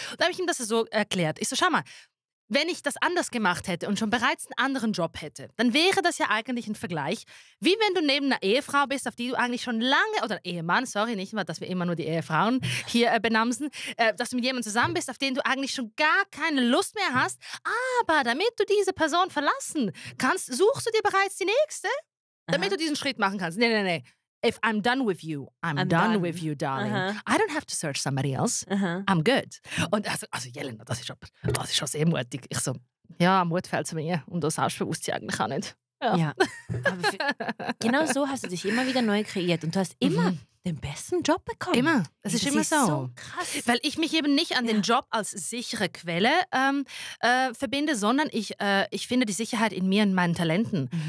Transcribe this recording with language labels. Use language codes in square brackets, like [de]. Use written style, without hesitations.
[de] Und da habe ich ihm das so erklärt. Ich so, schau mal, wenn ich das anders gemacht hätte und schon bereits einen anderen Job hätte, dann wäre das ja eigentlich ein Vergleich, wie wenn du neben einer Ehefrau bist, auf die du eigentlich schon lange, oder Ehemann, sorry, nicht mal, dass wir immer nur die Ehefrauen hier benamsen, dass du mit jemandem zusammen bist, auf den du eigentlich schon gar keine Lust mehr hast, aber damit du diese Person verlassen kannst, suchst du dir bereits die Nächste, damit du diesen Schritt machen kannst. Nee. [en] If I'm done with you, I'm done with you, darling. Uh-huh. I don't have to search somebody else. Uh-huh. I'm good. [de] Und also Jelena, das ist schon sehr mutig. Ich so, ja, Mut fällt zu mir. Und das selbstbewusst ich eigentlich auch nicht. Ja. Aber genau so hast du dich immer wieder neu kreiert. Und du hast immer den besten Job bekommen. Immer. Das ist immer so. Das ist so krass. Weil ich mich eben nicht an den Job als sichere Quelle verbinde, sondern ich finde die Sicherheit in mir und meinen Talenten.